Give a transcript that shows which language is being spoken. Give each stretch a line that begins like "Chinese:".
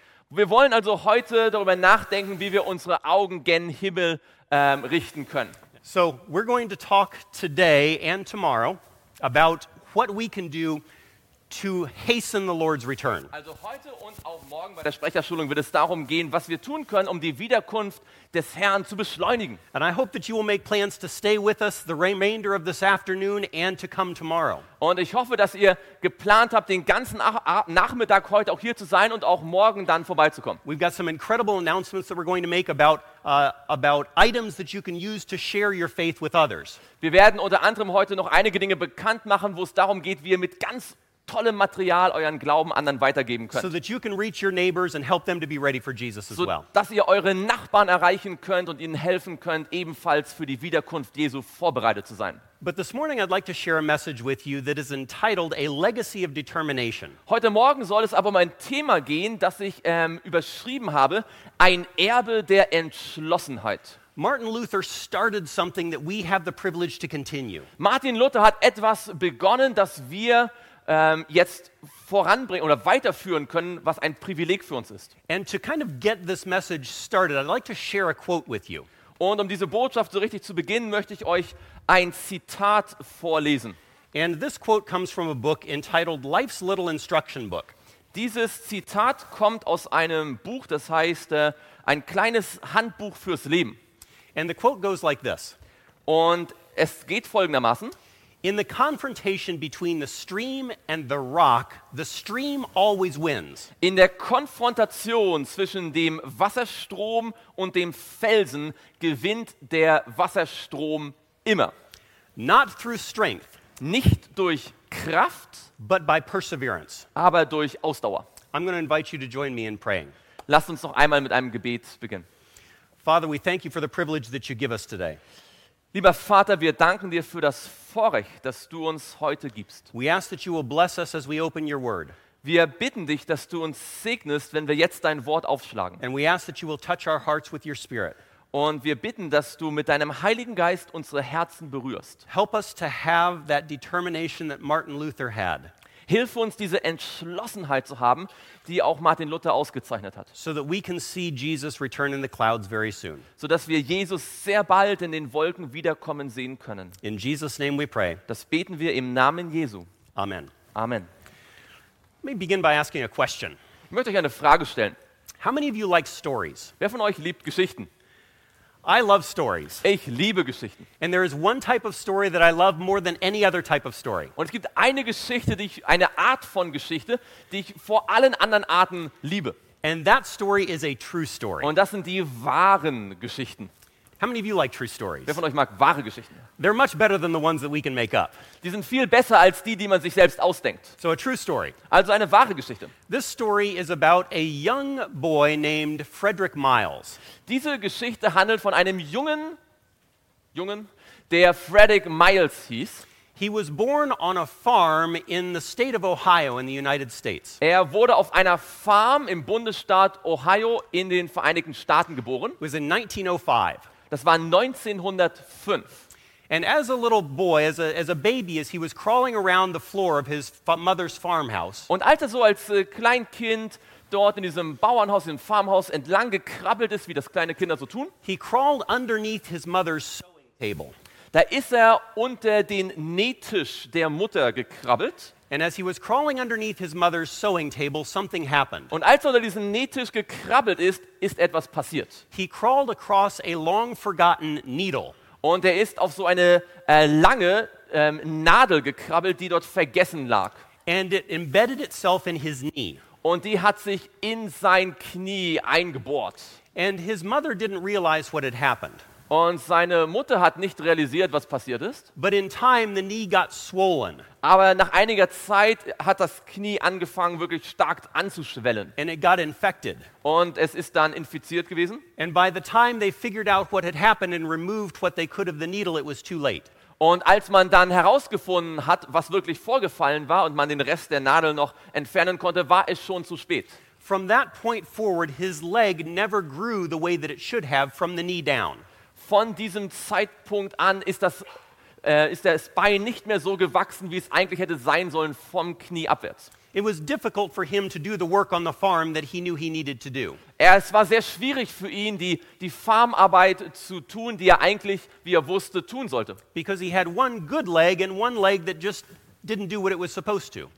German: Wir wollen also heute darüber nachdenken, wie wir unsere Augen gen Himmel richten können.
English: So we're going to talk today and tomorrow about what we can do to hasten the Lord's return.
German: Also heute und auch morgen bei der Sprecherschulung wird es darum gehen, was wir tun können, um die Wiederkunft des Herrn zu beschleunigen.
English: And I hope that you will make plans to stay with us the remainder of this afternoon and to come tomorrow.
German: Und ich hoffe, dass ihr geplant habt, den ganzen Nachmittag heute auch hier zu sein und auch morgen dann vorbeizukommen.
English: We've got some incredible announcements that we're going to make about items that you can use to share your faith with others.
German: Wir werden unter anderem heute noch einige Dinge bekannt machen, wo es darum geht, wie ihr mit ganz tolle Material euren Glauben anderen weitergeben könnt.
English: So that you can reach your neighbors and help them to be ready for Jesus as well.
German: So dass ihr eure Nachbarn erreichen könnt und ihnen helfen könnt, ebenfalls für die Wiederkunft Jesu vorbereitet zu sein.
English: But this morning I'd like to share a message with you that is entitled A Legacy of Determination.
German: Heute Morgen soll es aber um ein Thema gehen, das ich überschrieben habe, ein Erbe der Entschlossenheit.
English: Martin Luther started something that we have the privilege to continue.
German: Martin Luther hat etwas begonnen, das wir jetzt voranbringen oder weiterführen können, was ein Privileg für uns ist.
English: And to kind of get this message started, I'd like to share a quote with you.
German: Und um diese Botschaft so richtig zu beginnen, möchte ich euch ein Zitat vorlesen.
English: And this quote comes from a book entitled Life's Little Instruction Book.
German: Dieses Zitat kommt aus einem Buch, das heißt ein kleines Handbuch fürs Leben.
English: And the quote goes like this.
German: Und es geht folgendermaßen:
English: In the confrontation between the stream and the rock, the stream always wins.
German: In der Konfrontation zwischen dem Wasserstrom und dem Felsen gewinnt der Wasserstrom immer.
English: Not through strength,
German: nicht durch Kraft,
English: but by perseverance,
German: aber durch Ausdauer.
English: I'm going to invite you to join me in praying.
German: Lasst uns noch einmal mit einem Gebet beginnen.
English: Father, we thank you for the privilege that you give us today.
German: Lieber Vater, wir danken dir für das Vorrecht, das du uns heute gibst.
English: We ask that you will bless us as we open your word.
German: Wir bitten dich, dass du uns segnest, wenn wir jetzt dein Wort aufschlagen.
English: And we ask that you will touch our hearts with your spirit.
German: Und wir bitten, dass du mit deinem Heiligen Geist unsere Herzen berührst.
English: Help us to have that determination that Martin Luther had.
German: Hilf uns, diese Entschlossenheit zu haben, die auch Martin Luther ausgezeichnet hat.
English: So that we can see Jesus return in the clouds very soon.
German: So dass wir Jesus sehr bald in den Wolken wiederkommen sehen können.
English: In Jesus' name we pray.
German: Das beten wir im Namen Jesu.
English: Amen.
German: Amen.
English: Let me begin by asking a question.
German: Ich möchte euch eine Frage stellen.
English: How many of you like stories?
German: Wer von euch liebt Geschichten?
English: I love stories.
German: Ich liebe Geschichten.
English: And there is one type of story that I love more than any other type of story.
German: Und es gibt eine Geschichte, die ich, eine Art von Geschichte, die ich vor allen anderen Arten liebe.
English: And that story is a true story.
German: Und das sind die wahren Geschichten.
English: How many of you like true stories?
German: Wer von euch mag wahre Geschichten?
English: They're much better than the ones that we can make up.
German: Die sind viel besser als die, die man sich selbst ausdenkt.
English: So a true story.
German: Also eine wahre Geschichte.
English: This story is about a young boy named Frederick Miles.
German: Diese Geschichte handelt von einem Jungen, der Frederick Miles hieß.
English: He was born on a farm in the state of Ohio in the United States.
German: Er wurde auf einer Farm im Bundesstaat Ohio in den Vereinigten Staaten geboren.
English: It was in 1905.
German: Das war 1905.
English: And as a little boy, as a baby, as he was crawling around the floor of his mother's farmhouse.
German: Und als er so als Kleinkind dort in diesem Bauernhaus, im Farmhaus entlang gekrabbelt ist, wie das kleine Kinder so tun.
English: He crawled underneath his mother's sewing table.
German: Da ist er unter den Nähtisch der Mutter gekrabbelt.
English: And as he was crawling underneath his mother's sewing table, something happened.
German: Und als er unter diesen Nähtisch gekrabbelt ist, ist etwas passiert.
English: He crawled across a long forgotten needle.
German: Und er ist auf so eine lange Nadel gekrabbelt, die dort vergessen lag.
English: And it embedded itself in his knee.
German: Und die hat sich in sein Knie eingebohrt.
English: And his mother didn't realize what had happened.
German: Und seine Mutter hat nicht realisiert, was passiert ist.
English: But in time the knee got swollen.
German: Aber nach einiger Zeit hat das Knie angefangen, wirklich stark anzuschwellen.
English: And it got infected.
German: Und es ist dann infiziert gewesen.
English: And by the time they figured out what had happened and removed what they could of the needle, it was too late.
German: Und als man dann herausgefunden hat, was wirklich vorgefallen war und man den Rest der Nadel noch entfernen konnte, war es schon zu spät.
English: From that point forward, his leg never grew the way that it should have from the knee down.
German: Von diesem Zeitpunkt an ist das Bein nicht mehr so gewachsen, wie es eigentlich hätte sein sollen, vom Knie abwärts.
English: It was difficult for him to do the work on the farm that he knew he needed to do.
German: Es war sehr schwierig für ihn, die Farmarbeit zu tun, die er eigentlich, wie er wusste, tun sollte.
English: Because he had one good leg and one leg that just didn't do what it was supposed to.